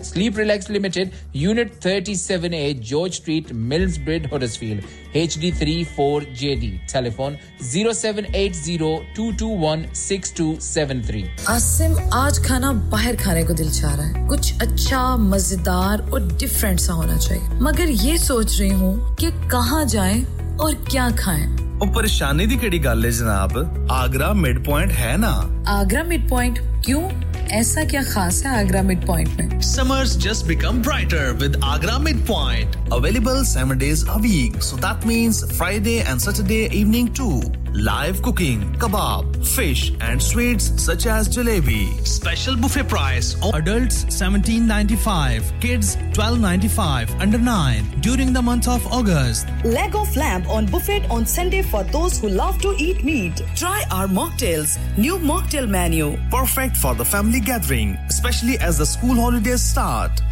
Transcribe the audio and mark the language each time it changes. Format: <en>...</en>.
<en>Sleep Relax Limited, Unit 37A, George Street, Millsbridge, Huddersfield, HD34JD. Telephone 0780-221-6273. Asim, today I want to go outside. Something good, delicious and different should happen. But I'm thinking where to go and what to eat.</en> <pa>ਉਹ ਪਰੇਸ਼ਾਨੀ ਦੀ ਕਿਹੜੀ ਗੱਲ ਹੈ ਜਨਾਬ Agra mid point ਹੈ ਨਾ</pa> <ur>Agra mid point ਕਿਉਂ ਐਸਾ ਕੀ ਖਾਸ ਹੈ ਆਗਰਾ ਮਿਡ ਪੁਆਇੰਟ ਮੈਂ</ur> <en>Summers just become brighter with Agra mid point available 7 days a week so that means Friday and Saturday evening to Live cooking, kebab, fish and sweets such as jalebi. Special buffet price. Adults 17.95, kids 12.95, under 9 during the month of August. Leg of lamb on buffet on Sunday for those who love to eat meat. Try our mocktails. New mocktail menu. Perfect for the family gathering, especially as the school holidays start.</en>